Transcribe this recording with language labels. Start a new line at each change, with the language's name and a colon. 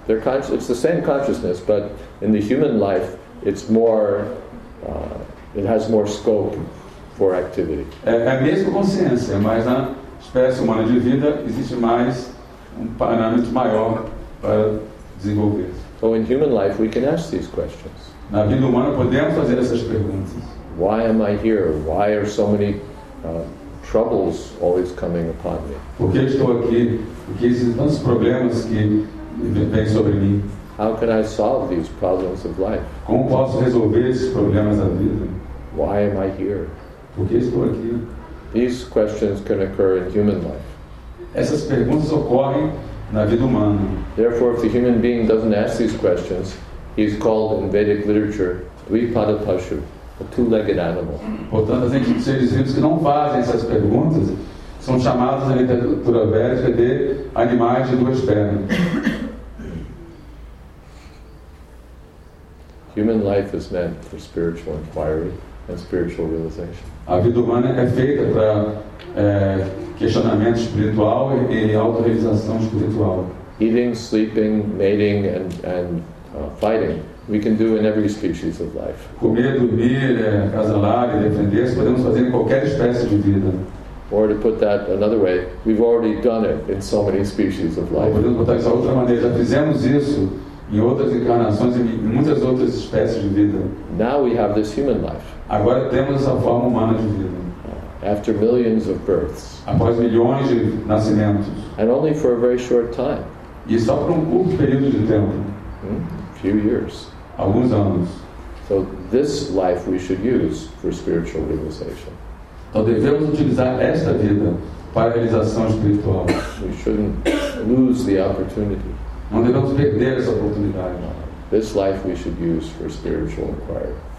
English: It's the same consciousness, but in the human life, it's more. It has more scope for activity.
Portuguese: É a mesma consciência, mas na espécie humana de vida existe mais um parâmetro maior para desenvolver.
English: So in human life, we can ask these questions.
Portuguese: Na vida humana podemos fazer essas perguntas.
English: Why am I here? Why are so many troubles always coming upon me?
Portuguese: Por que estou aqui? Por que existem tantos problemas que vêm sobre mim?
English: How can I solve these problems of life?
Portuguese: Como posso resolver esses problemas da vida?
English: Why am I here?
Portuguese: Por que estou aqui?
English: These questions can occur in human life.
Portuguese: Essas perguntas ocorrem na vida humana.
English: Therefore, if the human being doesn't ask these questions, he's called in Vedic literature Dvipada Pashu. A two-legged animal.
Portuguese: Portanto, os seres vivos que não fazem essas perguntas são chamados na literatura védica de animais de duas pernas.
English: Human life is meant for spiritual inquiry and spiritual realization.
Portuguese: A vida humana é feita para questionamento espiritual e autorrealização espiritual.
English: Eating, sleeping, mating, and fighting, we can do in every species of life.
Portuguese: Comer, dormir, acasalar e defender-se, podemos fazer em qualquer espécie de vida.
English: Or to put that another way, we've already done it in so many species of life.
Portuguese: Podemos botar isso de outra maneira, já fizemos isso em outras encarnações e em muitas outras espécies de vida.
English: Now we have this human life.
Portuguese: Agora temos essa forma humana de vida.
English: After millions of births.
Portuguese: Após milhões de nascimentos.
English: And only for a very short time.
Portuguese: E só por um curto período de tempo.
English: A few years.
Portuguese: Alguns anos.
English: So this life we should use for spiritual realization.
Portuguese: Então devemos utilizar esta vida para a realização espiritual.
English: We shouldn't lose the opportunity.
Portuguese: Não devemos perder essa oportunidade.
English: This life we should use for spiritual inquiry.